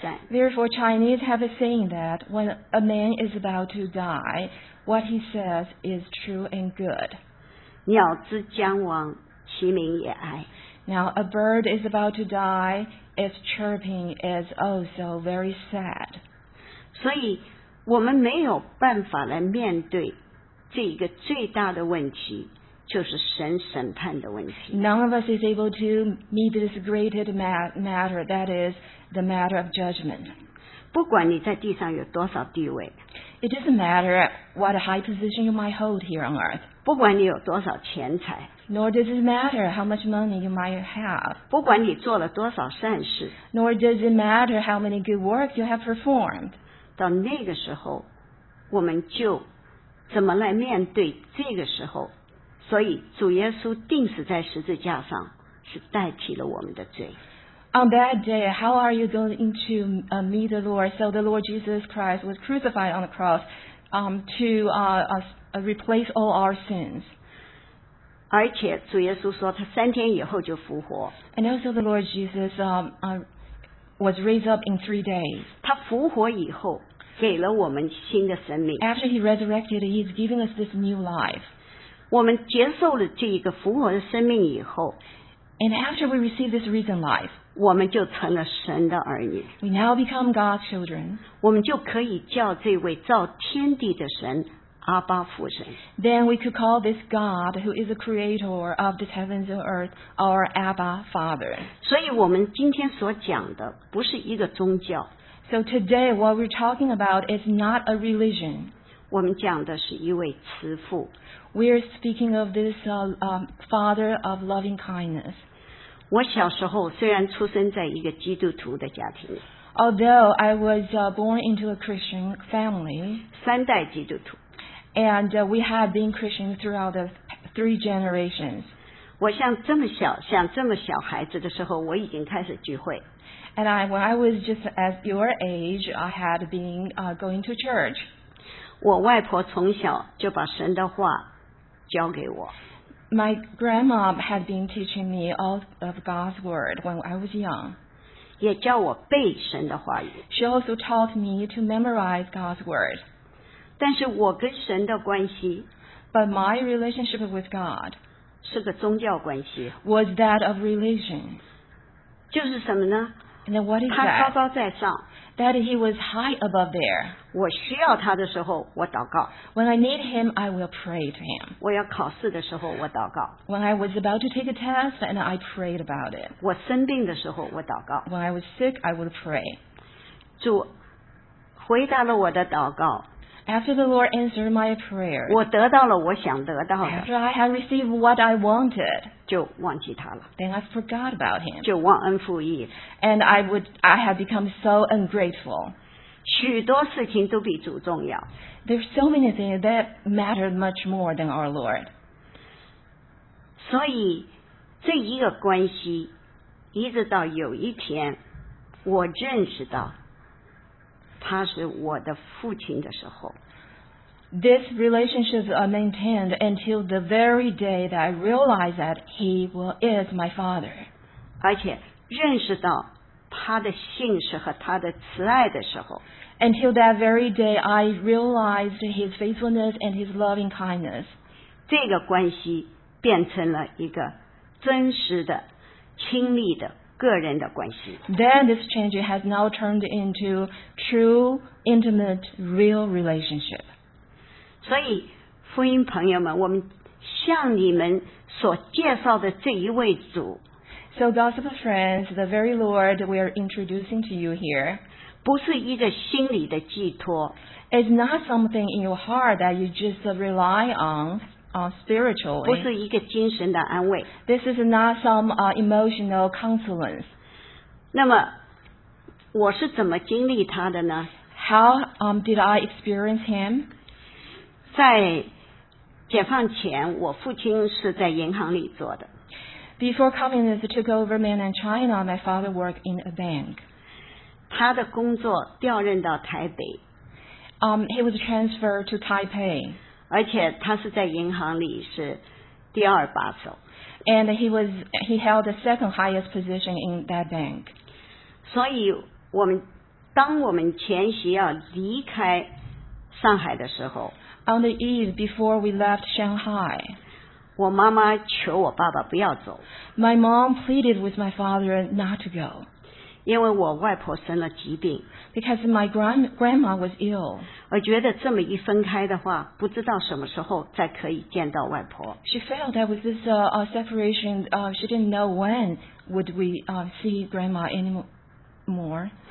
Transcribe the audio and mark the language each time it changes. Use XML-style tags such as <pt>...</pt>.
<en>Therefore, Chinese have a saying that when a man is about to die, what he says is true and good.</en> <zh>鸟之将亡，其鸣也哀。</zh> <en>Now, a bird is about to die, its chirping is also very sad.</en> <zh>所以我们没有办法来面对这一个最大的问题，就是神审判的问题。</zh> <en>None of us is able to meet this greater matter, that is,The matter of judgment.</en> <zh>不管你在地上有多少地位</zh> <en>It doesn't matter what high position you might hold here on earth.</en> <zh>不管你有多少钱财</zh> <en>Nor does it matter how much money you might have.</en> <zh>不管你做了多少善事</zh> <en>Nor does it matter how many good works you have performed.</en> <zh>到那个时候，我们就怎么来面对这个时候。所以主耶稣钉死在十字架上是代替了我们的罪。</zh> <en>On that day, how are you going to meet the Lord? So the Lord Jesus Christ was crucified on the cross to replace all our sins.</en> <zh>而且主耶稣说他三天以后就复活。</zh> <en>And also the Lord Jesus was raised up in 3 days.</en> <zh>他复活以后给了我们新的生命。</zh> <en>After he resurrected, he's giving us this new life.</en> <zh>我们接受了这个复活的生命以后。</zh> <en>And after we receive this risen life,</en> <zh>我们就成了神的儿女。</zh> <en>We now become God's children.</en> <zh>我们就可以叫这位造天地的神阿爸父神。</zh> <en>Then we could call this God who is the creator of the heavens and earth our Abba Father.</en> <zh>所以我们今天所讲的不是一个宗教。</zh> <en>So today what we're talking about is not a religion.</en> <zh>我们讲的是一位慈父。</zh> <en>We're speaking of this father of loving kindness.</en> <zh>我小时候虽然出生在一个基督徒的家庭。</zh> <en>Although I was born into a Christian family.</en> <zh>三代基督徒。</zh> <en>And we have been Christians throughout the 3 generations.</en> <zh>我像这么小，像这么小孩子的时候，我已经开始聚会。</zh> <en>And when I was just at your age, I had been going to church.</en> <zh>我外婆从小就把神的话教给我。</zh> <en>My grandma had been teaching me all of God's word when I was young.</en> <zh>也教我背神的话语。</zh> <en>She also taught me to memorize God's word.</en> <zh>但是我跟神的关系</zh> <en>But my relationship with God</en> <zh>是个宗教关系</zh> <en>was that of religion.</en> <zh>就是什么呢？</zh> <en>And then what is that?</en> <zh>他高高在上。</zh> <en>That he was high above there.</en> <zh>我需要他的时候，我祷告。</zh> <en>When I need him, I will pray to him.</en> <zh>我要考试的时候，我祷告。</zh> <en>When I was about to take a test, and I prayed about it.</en> <zh>我生病的时候，我祷告。</zh> <en>When I was sick, I would pray.</en> <zh>主回答了我的祷告。</zh> <en>After the Lord answered my prayer,</en> <zh>我得到了我想得到的。</zh> <en>After I had received what I wanted,</en> <zh>就忘记他了。</zh> <en>Then I forgot about him.</en> <zh>就忘恩负义。</zh> <en>And I have become so ungrateful.</en> <zh>许多事情都比主重要。</zh> <en>There are so many things that matter much more than our Lord.</en> <zh>所以这一个关系，一直到有一天，我认识到。他是我的父亲的时候</zh> <en>This relationship maintained until the very day that I realized that he is my father.</en> <zh>而且认识到他的信实和他的慈爱的时候</zh> <en>Until that very day, I realized his faithfulness and his loving kindness.</en> <zh>这个关系变成了一个真实的、亲密的个人的关系。</zh> <en>Then this change has now turned into true, intimate, real relationship.</en> <zh>所以，福音朋友们，我们向你们所介绍的这一位主。</zh> <en>So, gospel friends, the very Lord we are introducing to you here.</en> <zh>不是一个心理的寄托。</zh> <en>It's not something in your heart that you just rely on. Spiritually,</en> <zh>不是一个精神的安慰。</zh> <en>This is not some emotional consolance.</en> <zh>那么，我是怎么经历他的呢</zh> <en>？How did I experience him?</en> <zh>在解放前，我父亲是在银行里做的。</zh> <en>Before communism took over mainland China, my father worked in a bank.</en> <zh>他的工作调任到台北。</zh> <en>He was transferred to Taipei.</en> <zh>而且他是在银行里是第二把手</zh> <en>And he held the second highest position in that bank</en> <zh>所以我们当我们前夕要离开上海的时候</zh> <en>On the eve before we left Shanghai</en> <zh>我妈妈求我爸爸不要走</zh> <en>My mom pleaded with my father not to go</en> <zh>因为我外婆生了疾病</zh> <en>Because my grandma was ill.</en> <zh>我觉得这么一分开的话，不知道什么时候再可以见到外婆。</zh> <en>She felt that with this separation, she didn't know when would we see grandma anymore.</en>